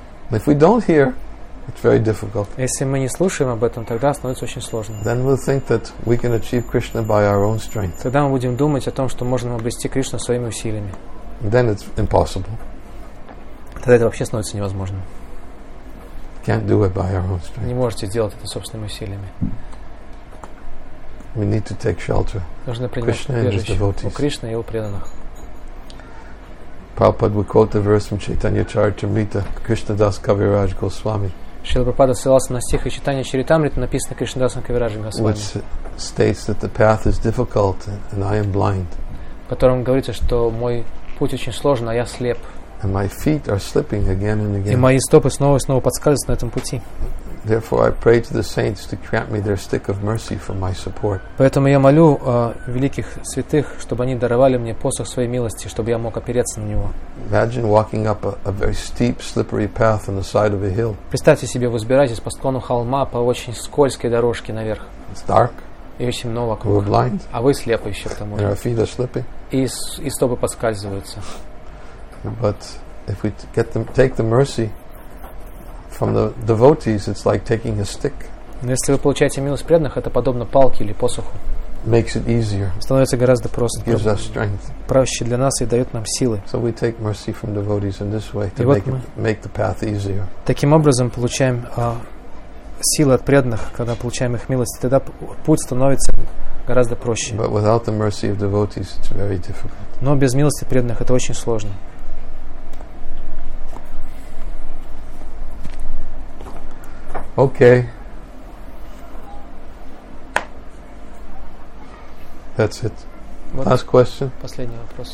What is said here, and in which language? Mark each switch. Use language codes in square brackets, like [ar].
[en] But if we don't hear, it's very difficult. [ru] Если мы не слушаем об этом, тогда становится очень сложно. [en] Then we'll think that we can achieve Krishna by our own strength. [ru] Тогда мы будем думать о том, что можем обрести Кришну своими усилиями. [en] Then it's impossible. [ru] Тогда это вообще становится невозможным. [en] Can't do it by our own strength. [ru] Не можете сделать это собственными усилиями. [en] We need to take shelter. [ru] Нужно принять убежище у Кришны и его преданных. [en] Prabhupada, we quote the verse from Chaitanya Charitamrita, Krishna Das Kaviraj Goswami. [ru] Шрила Прабхупада ссылался на стих из Чайтанья Чаритамриты, написанный Кришнадасом Кавираджем Госвами. [en] Which states that the path is difficult and I am blind. [ru] В котором говорится, что мой путь очень сложен, а я слеп. [en] And my feet are slipping again and again. [ru] И мои стопы снова и снова подскальзываются на этом пути. [en] Therefore, I pray to the saints to grant me their stick of mercy for my support. [ru] Поэтому я молю великих святых, чтобы они даровали мне посох своей милости, чтобы я мог опереться на него. [en] Imagine walking up a very steep, slippery path on the side of a hill. [ru] Представьте себе, вы взбираетесь по склону холма по очень скользкой дорожке наверх. [en] It's dark. [ru] И очень много вокруг. [en] We're blind. [ru] А вы слепы еще к тому же. [en] And our feet are slipping. [ru] И стопы подскальзываются. [en] But if we take the mercy from the devotees, it's like taking a stick. [ru] Если вы получаете милость преданных, это подобно палке или посоху. [en] Makes it easier. [ru] Становится гораздо проще. [en] Gives us strength. [ru] Проще для нас и дает нам силы. [en] So we take mercy from devotees in this way to make the path easier. [ru] Таким образом получаем силы от преданных, когда получаем их милость, тогда путь становится гораздо проще. [en] But without the mercy of devotees, it's very difficult. [ru] Но без милости преданных это очень сложно. [en] Okay. That's it. Вот last question. [ru] Последний вопрос.